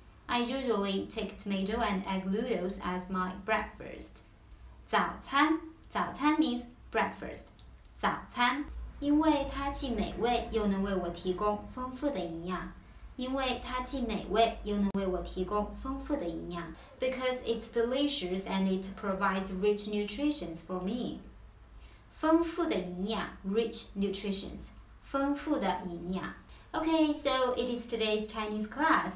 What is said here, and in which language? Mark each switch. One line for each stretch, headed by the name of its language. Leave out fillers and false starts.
English: I usually take tomato and egg noodles as my breakfast. 早餐 means breakfast.
Chinese: 早餐，因为它既美味又能为我提供丰富的营养。
English: Because it's delicious and it provides rich nutrition for me.
Chinese: 丰富的营养
English: rich nutrition. 丰富的营养 Okay, so it is today's Chinese class.